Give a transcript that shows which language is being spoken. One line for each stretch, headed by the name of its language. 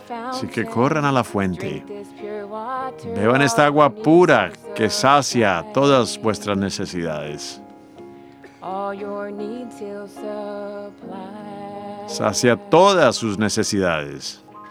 Spanish: Así que corran a la fuente. Beban esta agua pura que sacia todas vuestras necesidades.
English: All your needs he'll supply.
Spanish: Sacia todas sus necesidades.